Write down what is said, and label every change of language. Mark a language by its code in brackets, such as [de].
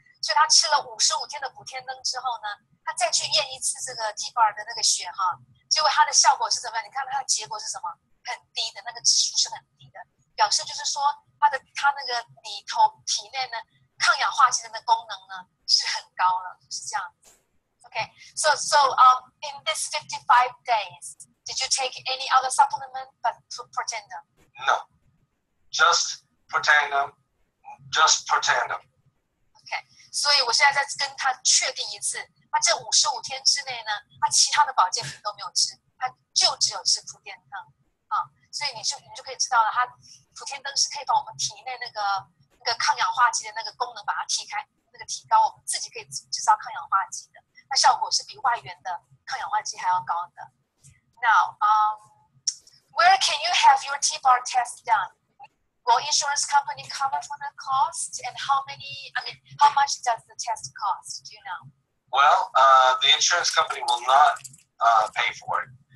[zh] 所以他吃了55天的普天灯之后呢，他再去验一次这个 T-bar 的那个血，结果他的效果是怎么样？你看他的结果是什么？很低的，那个指数是很低的，表示就是说他那个里头体内呢抗氧化剂的功能呢是很高了，是这样子。 [en] Okay, so in this 55 days, did you take any other supplement but Protandim? No, just Protandim, just Protandim. [zh] Okay, 所以我现在跟他确定一次，他这55天之内呢，他其他的保健品都没有吃，他就只有吃普天灯啊。所以你就可以知道了，他普天灯是可以把我们体内那个。抗氧化剂的那个功能把它提开，那个提高，我们自己可以制造抗氧化剂的，那效果是比外源的抗氧化剂还要高的。 [en] Now, where can you have your T-bar test done? Will insurance company cover for the cost? And how much does the test cost? Do you know? Well, the insurance company will not pay for it.